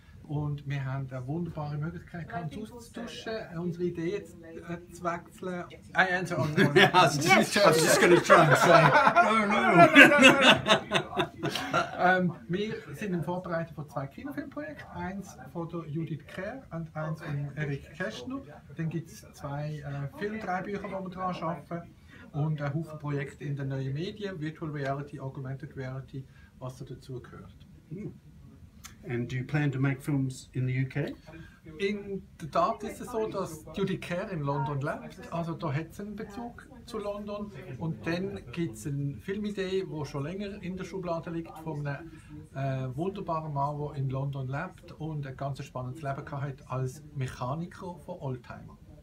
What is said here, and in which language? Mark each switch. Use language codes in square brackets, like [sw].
[de] Und wir haben eine wunderbare Möglichkeit, uns auszutauschen, unsere Ideen zu wechseln. [en] I answer on one. Yes, I was just going to try and say. [de] No. Wir sind im Vorbereiten von zwei Kinofilmprojekten. Eins von der Judith Kerr und eins von Eric Keschner. Dann gibt es zwei Filmdrehbücher, die wir daran arbeiten. Und ein Haufen Projekte in den neuen Medien, Virtual Reality, Augmented Reality, was da dazu gehört. [en] And do you plan to make films in the UK? [de] In der Tat ist es so, dass Judy Kerr in London lebt. Also da hat sie einen Bezug zu London. Und dann gibt es eine Filmidee, die schon länger in der Schublade liegt, von einem wunderbaren Mann, der in London lebt und ein ganz spannendes Leben gehabt als Mechaniker von Oldtimer.